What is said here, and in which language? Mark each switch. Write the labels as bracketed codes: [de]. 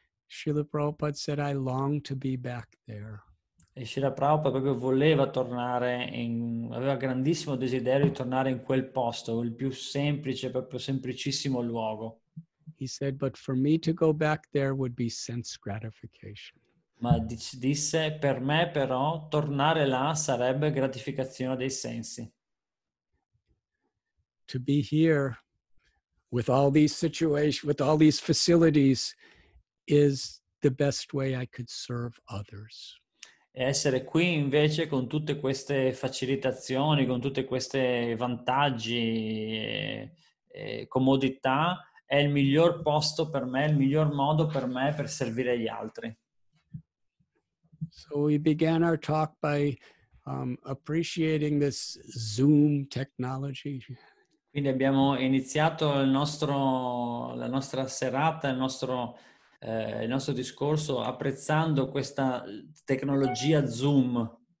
[en] Srila Prabhupada said, "I long to be back there." [it] E Srila Prabhupada proprio voleva tornare aveva grandissimo desiderio di tornare in quel posto, il più semplice, proprio semplicissimo luogo. [en] He said, "But for me to go back there would be sense gratification." [it] Ma disse, "Per me però tornare là sarebbe gratificazione dei sensi." [en] To be here with all these situations, with all these facilities, is the best way I could serve others. [it] E essere qui invece con tutte queste facilitazioni, con tutte queste vantaggi e comodità, è il miglior posto per me, il miglior modo per me per servire gli altri. [en] So we began our talk by appreciating this Zoom technology. [it] Quindi abbiamo iniziato la nostra serata, il nostro discorso apprezzando questa tecnologia Zoom.